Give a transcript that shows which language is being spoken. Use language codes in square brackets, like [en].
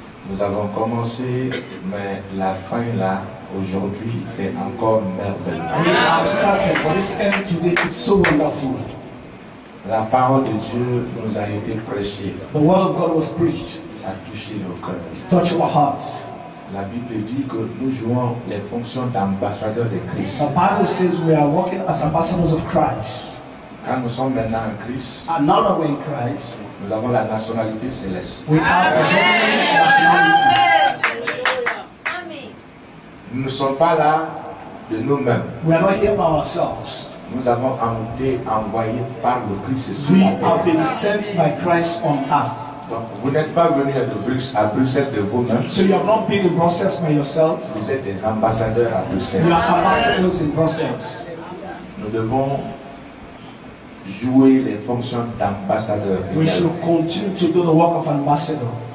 [fr] Nous avons commencé, mais la fin là aujourd'hui c'est encore merveilleux. [en] We have started, but this end today is so wonderful. [fr] La parole de Dieu nous a été prêchée. [en] The word of God was preached. [fr] Ça a touché nos cœurs. [en] It touched our hearts. [fr] La Bible dit que nous jouons les fonctions d'ambassadeurs de Christ. [en] The Bible says we are working as ambassadors of Christ. [fr] Quand nous sommes maintenant en Christ, [en] and now that we're in Christ, [fr] nous avons la nationalité céleste. [en] We have a nationality. Amen. [fr] Nous ne sommes pas là de nous-mêmes. [en] We are not here by ourselves. [fr] Nous avons été envoyés par le Christ. [en] We have been sent by Christ on earth. [fr] Donc, vous n'êtes pas venu à Bruxelles de vous-même. [en] So you have not been in Brussels by yourself. [fr] Vous êtes des ambassadeurs à Bruxelles. [en] You are ambassadors in Brussels. [fr] Nous devons jouer les fonctions d'ambassadeurs. [en] We should continue to do the work of ambassador.